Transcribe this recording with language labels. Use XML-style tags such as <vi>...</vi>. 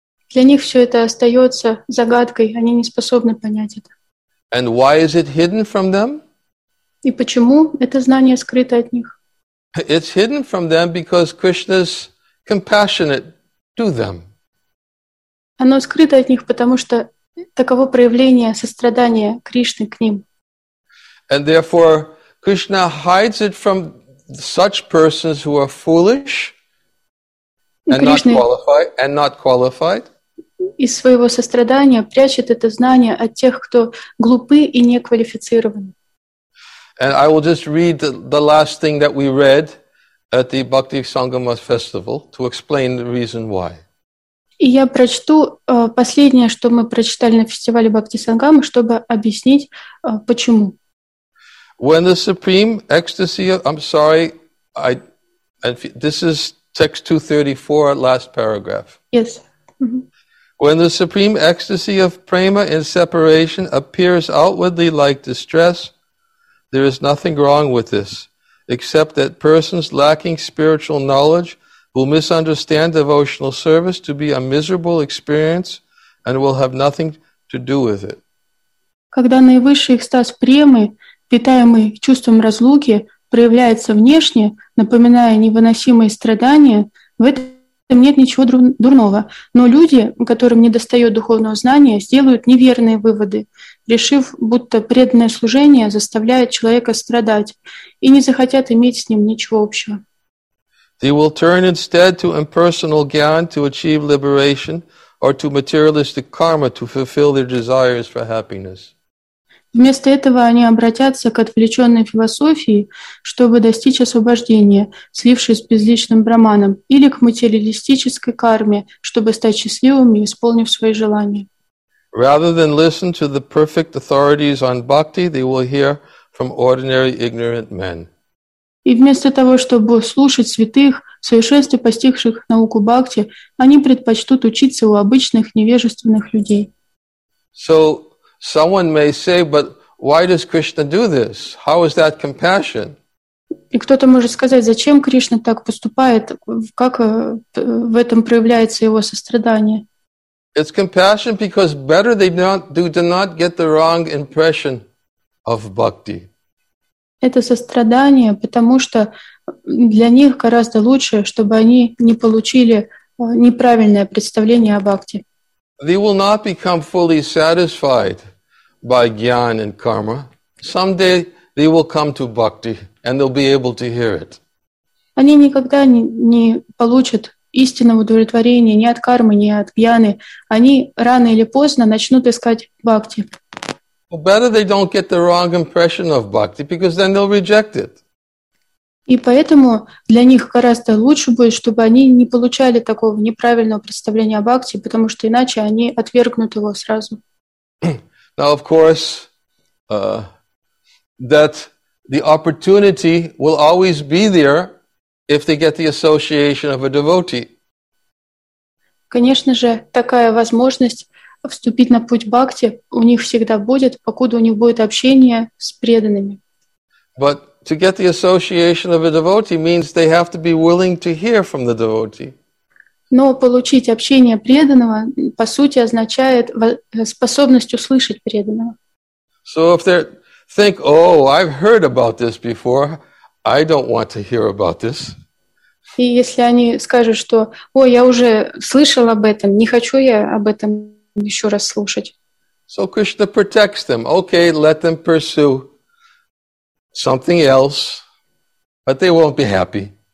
<ru>Для них все это остается загадкой, они не способны понять это.</ru> <en>And why is it hidden from them?</en> <ru>И почему это знание скрыто от них?</ru> <en>It's hidden from them because Krishna's compassionate to them.</en> <ru>Оно скрыто от них, потому что таково проявление сострадания Кришны к ним.</ru> <en>And therefore, Krishna hides it from such persons who are foolish and not qualified.</en> <ru>Из своего сострадания прячет это знание от тех, кто глупы и неквалифицированы.</ru> <en>And I will just read the last thing that we read at the Bhakti Sangama festival to explain the reason why.</en> <ru>И я прочту последнее, что мы прочитали на фестивале Бхакти Сангама, чтобы объяснить почему.</ru> <en>When the supreme ecstasy, I'm sorry, this is text 234, last paragraph. Yes. Mm-hmm. When the supreme ecstasy of prema in separation appears outwardly like distress, there is nothing wrong with this, except that persons lacking spiritual knowledge will misunderstand devotional service to be a miserable experience and will have nothing to do with it.</en> <ru>Когда наивысший экстаз премы, питаемый чувством разлуки, проявляется внешне, напоминая невыносимые страдания, в этом нет ничего дурного. Но люди, которым недостает духовного знания, сделают неверные выводы, решив, будто преданное служение заставляет человека страдать и не захотят иметь с ним ничего общего.</ru> <en>They will turn instead to impersonal gyan to achieve liberation or to materialistic karma to fulfill their desires for happiness.</en> <ru>Вместо этого они обратятся к отвлеченной философии, чтобы достичь освобождения, слившись с безличным браманом, или к материалистической карме, чтобы стать счастливыми, исполнив свои желания.</ru> <en>Rather than listen to the perfect authorities on bhakti, they will hear from ordinary ignorant men.</en> <ru>И вместо того, чтобы слушать святых, в совершенстве постигших науку бхакти, они предпочтут учиться у обычных невежественных людей.</ru> <en>So someone may say, but why does Krishna do this? How is that compassion?</en> <ru>И кто-то может сказать, зачем Кришна так поступает? Как в этом проявляется его сострадание?</ru> <en>It's compassion because better they do not get the wrong impression of bhakti.</en> <ru>Это сострадание, потому что для них гораздо лучше, чтобы они не получили неправильное представление о бхакти.</ru> <en>They will not become fully satisfied by gyan and karma. Someday they will come to bhakti and they'll be able to hear it.</en> <ru>Они никогда не получат истинного удовлетворения ни от кармы, ни от гьяны. Они рано или поздно начнут искать бхакти.</ru> <en>Well, better they don't get the wrong impression of bhakti, because then they'll reject it.</en> <ru>И поэтому для них гораздо лучше будет, чтобы они не получали такого неправильного представления о бхакти, потому что иначе они отвергнут его сразу.</ru> <en>Now, of course, that the opportunity will always be there if they get the association of a devotee.</en> <ru>Конечно же, такая возможность вступить на путь бхакти у них всегда будет, покуда у них будет общение с преданными.</ru> <en>But to get the association of a devotee means they have to be willing to hear from the devotee.</en> <ru>Но получить общение преданного, по сути, означает способность услышать преданного.</ru> <en>So if they think, oh, I've heard about this before, I don't want to hear about this.</en> <ru>И если они скажут, что, о, я уже слышал об этом, не хочу я об этом еще раз слушать.</ru> <en>So Krishna protects them. Okay, let them pursue something else, but they won't be happy.</en>